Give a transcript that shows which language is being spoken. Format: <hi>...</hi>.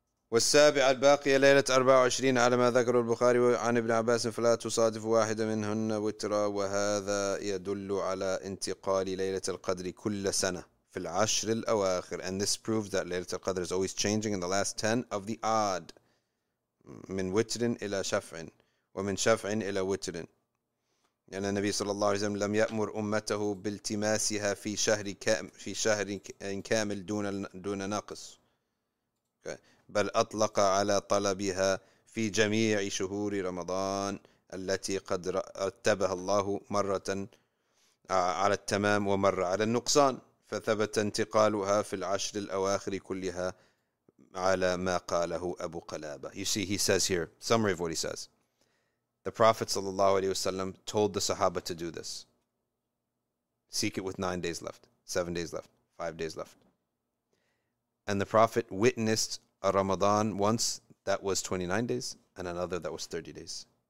<ar>وَالسَّابِعَ الْبَاقِيَ لَيْلَةَ 24 عَلَى مَا ذَكَرُ الْبُخَارِ وَعَنِ ابْنِ عَبَاسٍ فَلَا تُصَادِفُ وَاحِدًا مِنْهُنَّ وِتْرًا وَهَذَا يَدُلُّ عَلَى انْتِقَالِ لَيْلَةِ الْقَدْرِ كُلَّ سَنَةٍ فِي الْعَشْرِ الْأَوَاخِرِ.</ar> <en>And this proves that Laylatul Qadr is always changing in the last 10 of the odd.</en> <ar>من وتر إلى شفع ومن شفع إلى وتر. لأن النبي صلى الله عليه وسلم لم يأمر أمته بالتماسها في شهر كامل دون ناقص.</ar> <en>Okay.</en> <ar>بل أطلق على طلبها في جميع شهور رمضان التي قد رتبها الله مرة على التمام ومرة على النقصان فثبت انتقالها في العشر الأواخر كلها على ما قاله أبو قلابة.</ar> <en>You see, he says here, summary of what he says. The Prophet ﷺ told the Sahaba to do this. Seek it with 9 days left, 7 days left, 5 days left. And the Prophet witnessed a Ramadan once that was 29 days and another that was 30 days.</en>